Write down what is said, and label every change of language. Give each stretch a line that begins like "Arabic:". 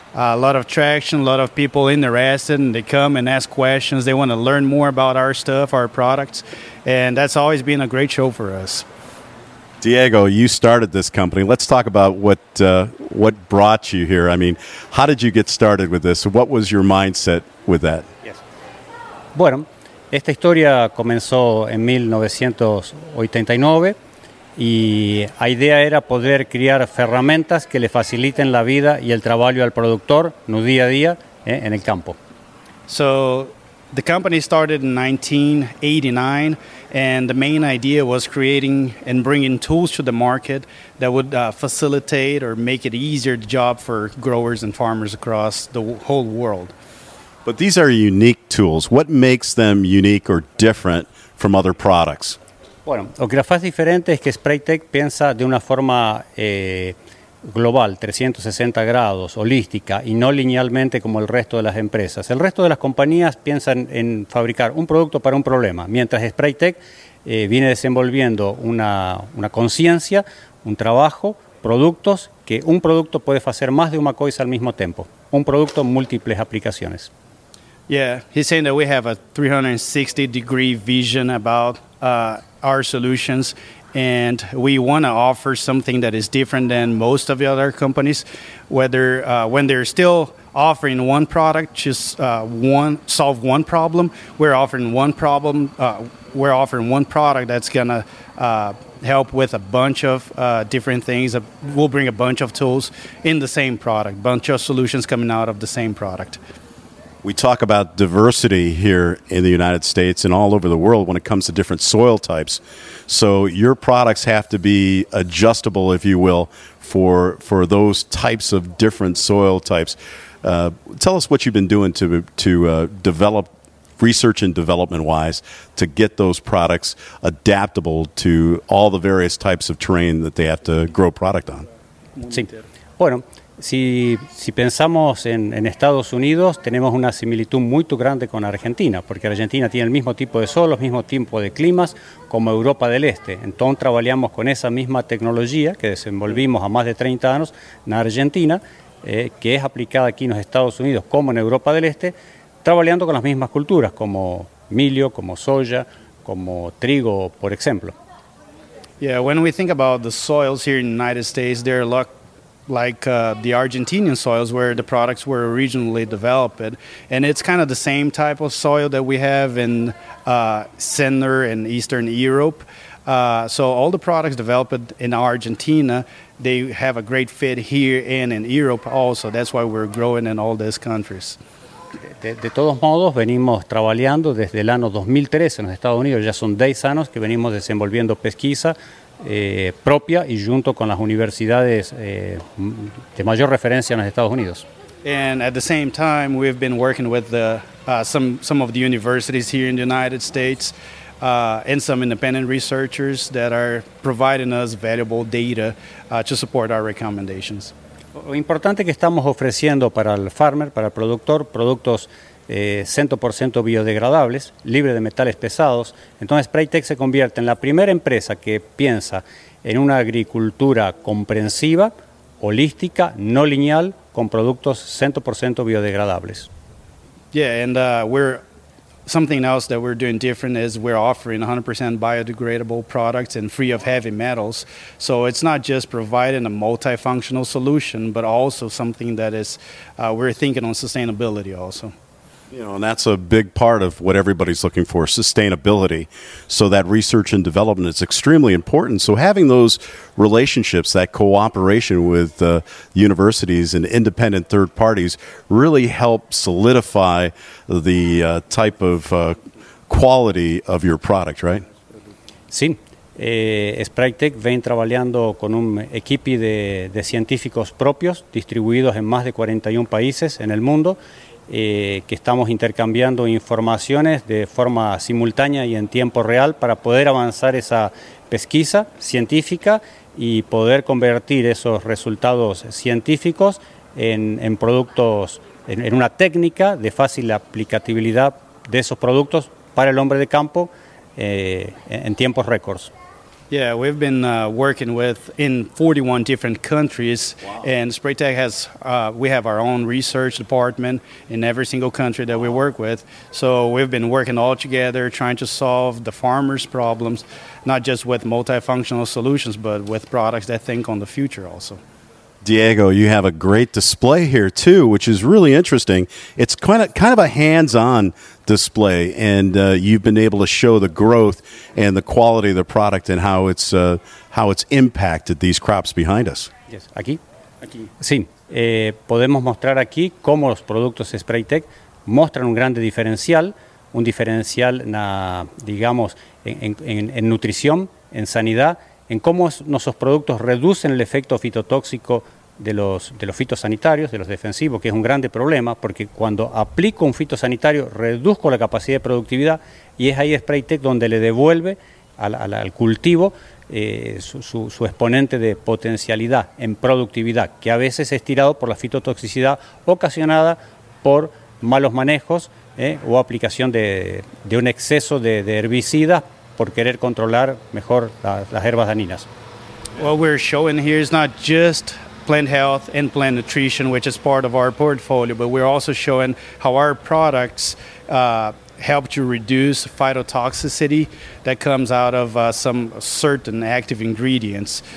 English: A lot of traction, a lot of people interested, and they come and ask questions. They want to learn more about our stuff, our products, and that's always been a great show for us. Diego, you started this company. Let's talk about what brought you here. I mean, how did you get started with this? What was your mindset with that? Yes.
Spanish: Bueno, esta historia comenzó en 1989. Y la idea era poder crear herramientas que le faciliten la vida y el trabajo al productor en el día a día en el campo.
English: So, the company started in 1989, and the main idea was creating and bringing tools to the market that would facilitate or make it easier the job for growers and farmers across the whole world. But these are unique tools. What makes them unique or different from other products?
Spanish: Bueno, lo que la hace diferente es que Spraytec piensa de una forma global, 360 grados, holística, y no linealmente como el resto de las empresas. El resto de las compañías piensan en fabricar un producto para un problema, mientras Spraytec viene desenvolviendo una conciencia, un trabajo, productos, que un producto puede hacer más de una cosa al mismo tiempo. Un producto, múltiples aplicaciones.
English: Yeah, he's saying that we have a 360 degree vision about our solutions, and we want to offer something that is different than most of the other companies, whether when they're still offering one product, just one solve one problem, we're offering one product that's gonna help with a bunch of different things. We'll bring a bunch of tools in the same product, bunch of solutions coming out of the same product. We talk about diversity here in the United States and all over the world when it comes to different soil types. So your products have to be adjustable, if you will, for those types of different soil types. Tell us what you've been doing to develop, research and development-wise, to get those products adaptable to all the various types of terrain that they have to grow product on.
Spanish: Sí. Bueno. Si pensamos en Estados Unidos, tenemos una similitud muy grande con Argentina, porque Argentina tiene el mismo tipo de suelos, mismo tipo de climas como Europa del Este. Entonces, trabajamos con esa misma tecnología que desenvolvimos a más de 30 años en Argentina, que es aplicada aquí en los Estados Unidos como en Europa del Este, trabajando con las mismas culturas como milio, como soya, como trigo, por ejemplo.
English: Yeah, when we think about the soils here in the United States, they're a lot like the Argentinian soils where the products were originally developed. And it's kind of the same type of soil that we have in center and eastern Europe. So all the products developed in Argentina, they have a great fit here and in Europe also. That's why we're growing in all these countries.
Spanish: De todos modos, venimos trabajando desde el año 2013 en los Estados Unidos. Ya son 10 años que venimos desenvolviendo pesquisa propia y junto con las universidades de mayor referencia en los Estados Unidos.
English: And at the same time, we've been working with some of the universities here in the United States and some independent researchers that are providing us valuable data to support our recommendations.
Spanish: Lo importante que estamos ofreciendo para el farmer, para el productor, productos 100% biodegradables, libres de metales pesados. Entonces, Spraytec se convierte en la primera empresa que piensa en una agricultura comprensiva, holística, no lineal, con productos 100% biodegradables.
English: Yeah, and we're something else that we're doing different is we're offering 100% biodegradable products and free of heavy metals. So it's not just providing a multifunctional solution, but also something that is, we're thinking on sustainability also. You know, and that's a big part of what everybody's looking for, sustainability. So that research and development is extremely important. So having those relationships, that cooperation with universities and independent third parties really help solidify the type of quality of your product, right?
Spanish: Sí. Spraytec ven trabajando con un equipo de científicos propios distribuidos en más de 41 países en el mundo. Que estamos intercambiando informaciones de forma simultánea y en tiempo real para poder avanzar esa pesquisa científica y poder convertir esos resultados científicos en productos, en una técnica de fácil aplicabilidad de esos productos para el hombre de campo en tiempos récords.
English: Yeah, we've been working with in 41 different countries. Wow. And Spraytec has, we have our own research department in every single country that we work with. So we've been working all together trying to solve the farmers' problems, not just with multifunctional solutions, but with products that think on the future also. Diego, you have a great display here too, which is really interesting. It's kind of a hands-on display, and you've been able to show the growth and the quality of the product and how it's impacted these crops behind us.
Spanish: Yes, aquí. Sí, podemos mostrar aquí cómo los productos Spraytec muestran un grande diferencial, en nutrición, en sanidad, en cómo nuestros productos reducen el efecto fitotóxico de los fitosanitarios, de los defensivos, que es un grande problema, porque cuando aplico un fitosanitario, reduzco la capacidad de productividad, y es ahí Spraytec donde le devuelve al cultivo su exponente de potencialidad en productividad, que a veces es tirado por la fitotoxicidad ocasionada por malos manejos o aplicación de un exceso de herbicidas por querer controlar mejor las herbas daninas.
English: What we're showing here is not just plant health and plant nutrition, which is part of our portfolio, but we're also showing how our products help to reduce phytotoxicity that comes out of some certain active ingredients.